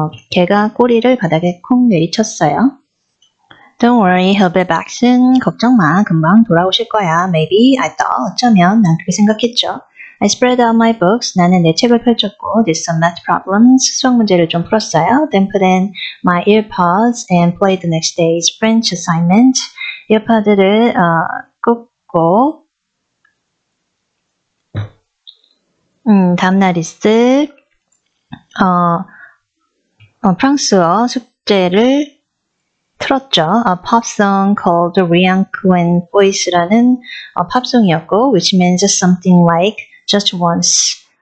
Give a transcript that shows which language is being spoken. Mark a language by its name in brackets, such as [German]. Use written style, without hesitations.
[Korean] 개가 꼬리를 바닥에 콩 내리쳤어요. [English] Don't worry, he'll be back soon. [Korean] 걱정 마, 금방 돌아오실 거야. [English] Maybe, I thought, [Korean] 어쩌면 난 그렇게 생각했죠. [English] I spread out my books. [Korean] 나는 내 책을 펼쳤고, [English] did some math problems. [Korean] 수학 문제를 좀 풀었어요. [English] Then put in my earpods and played the next day's French assignment. [Korean] 이어팟을 꽂고, 다음날 있을 프랑스어 숙제를 틀었죠. [English] A pop song called Rien Qu'un [Korean] Voice라는 팝송이었고, [English] which means something like Just once.